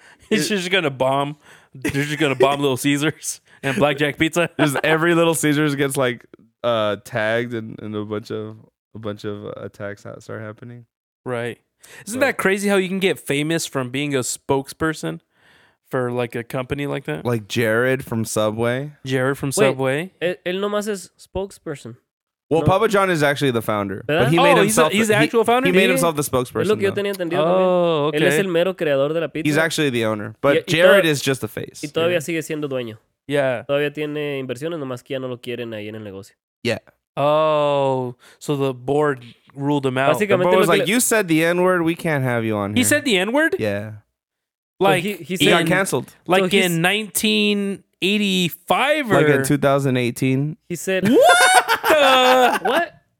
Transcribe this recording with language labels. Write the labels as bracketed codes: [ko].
[en] They're just going to bomb Little Caesars and Blackjack Pizza. Just every Little Caesars gets, like, tagged and a bunch of attacks start happening. Right. Isn't that crazy how you can get famous from being a spokesperson for, like, a company like that? Like Jared from Subway? Jared from Subway. [es] Él nomás es spokesperson. [en] Well, no. Papa John is actually the founder. But he's the actual founder? He made himself the spokesperson. [es] Es lo que yo tenía entendido. [en] Oh, okay. [es] Él es el mero creador de la pizza. [en] He's actually the owner. But Jared is just a face. [es] Y todavía sigue siendo dueño. [en] Yeah. [es] Todavía tiene inversiones, nomás que ya no lo quieren ahí en el negocio. [en] Yeah. Oh, so the board ruled him out. Básicamente, the board was like, you said the N-word, we can't have you on here. He said the N-word? Yeah. Like, so he got canceled. Like so in 1985 or... Like in 2018. He said... What?